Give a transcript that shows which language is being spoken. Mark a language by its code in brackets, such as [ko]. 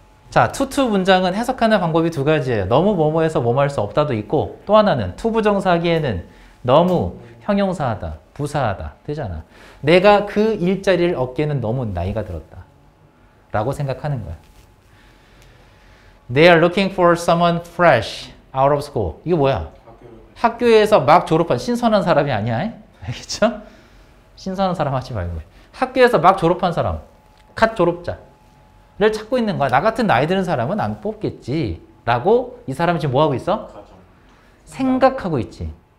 [ko] 자, 투투 문장은 해석하는 방법이 두 가지예요. 너무 뭐뭐해서 뭐뭐할 수 없다도 있고 또 하나는 투 부정사기에는 너무 형용사하다, 부사하다 되잖아. 내가 그 일자리를 얻기에는 너무 나이가 들었다 라고 생각하는 거야. [en] They are looking for someone fresh out of school. [ko] 이게 뭐야? 학교에서 막 졸업한 신선한 사람이 아니야. 알겠죠? 신선한 사람 하지 말고. 학교에서 막 졸업한 사람, 갓 졸업자를 찾고 있는 거야. 나 같은 나이 드는 사람은 안 뽑겠지. 라고 이 사람이 지금 뭐하고 있어? 생각하고 있지.